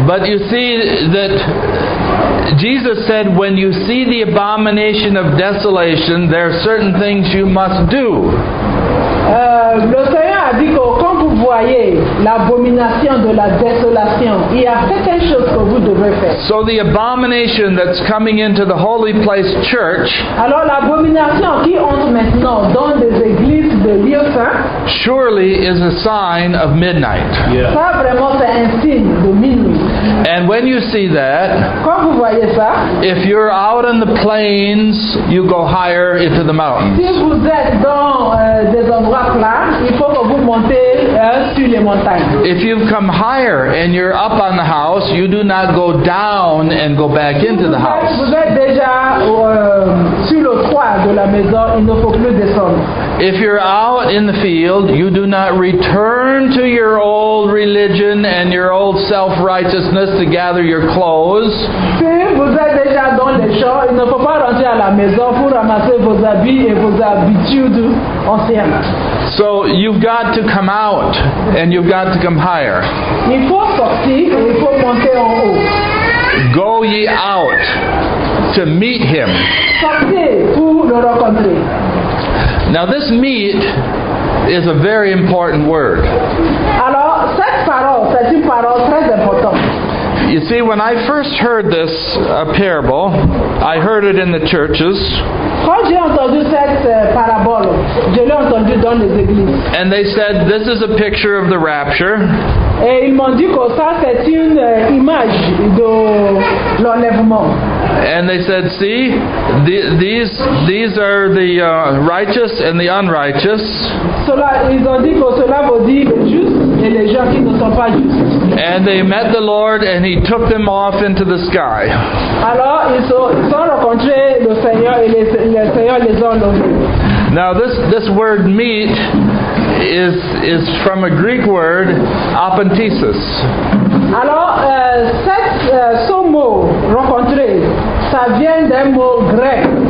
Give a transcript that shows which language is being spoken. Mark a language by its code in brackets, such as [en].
[en] But you see that Jesus said, when you see the abomination of desolation, there are certain things you must do. [fr] Le Seigneur a dit que quand vous voyez l'abomination de la désolation, il y a certaines choses que vous devez faire. [en] So the abomination that's coming into the holy place church, [fr] alors l'abomination qui entre maintenant dans les églises de lieux saints, [en] surely is a sign of midnight. Yeah. [fr] Ça vraiment c'est un signe de minuit. [en] And when you see that, [fr] quand vous voyez ça, [en] if you're out in the plains, you go higher into the mountains. [fr] Si vous êtes dans des endroits plats, il faut que vous montez sur les montagnes. [en] If you've come higher and you're up on the house, you do not go down and go back into the house. [fr] Vous êtes déjà sur le toit de la maison, il ne faut plus descendre. [en] If you're out in the field, you do not return to your old religion and your old self-righteousness to gather your clothes. [fr] Si vous êtes déjà dans les champs, il ne faut pas rentrer à la maison pour ramasser vos habits et vos habitudes anciennes. [en] So you've got to come out and you've got to come higher. [fr] Il faut sortir, il faut monter en haut. [en] Go ye out to meet him. [fr] Sortez pour le rencontrer. [en] Now this meet is a very important word. [fr] Alors, cette parole, c'est une parole très importante. [en] You see, when I first heard this parable, I heard it in the churches. [fr] Quand j'ai entendu cette parabole, je l'ai entendu dans les églises. [en] And they said, this is a picture of the rapture. [fr] Et ils m'ont dit que ça, c'est une image de l'enlèvement. [en] And they said, see, these are the righteous and the unrighteous. [fr] Cela, ils ont dit que cela veut dire les justes et les gens qui ne sont pas justes. [en] And they met the Lord and he took them off into the sky. [fr] Alors, ils sont rencontrés le Seigneur et le Seigneur les a enlevés. [en] Now this word meet is from a Greek word, apentesis. [fr] Alors, ce mot, rencontrer, ça vient d'un mot grec.